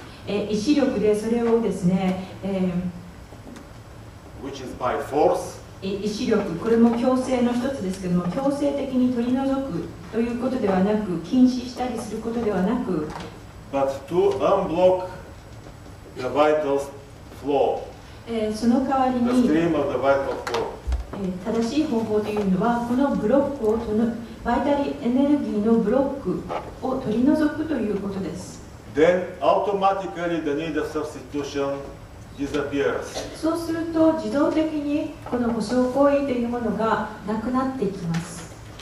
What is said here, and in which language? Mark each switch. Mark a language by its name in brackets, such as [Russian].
[Japanese] 意志力でそれをですね、 [English] which is by force [Japanese] 意志力これも強制の一つですけども強制的に取り除くということではなく禁止したりすることではなく [English] but to unblock the vital flow [Japanese] その代わりに [English] the stream of the vital flow [Japanese] 正しい方法というのはこのブロックをバイタリエネルギーのブロックを取り除くということです。 [English] Then automatically the need of substitution disappears. [Japanese] そうすると自動的にこの保証行為というものがなくなっていきます。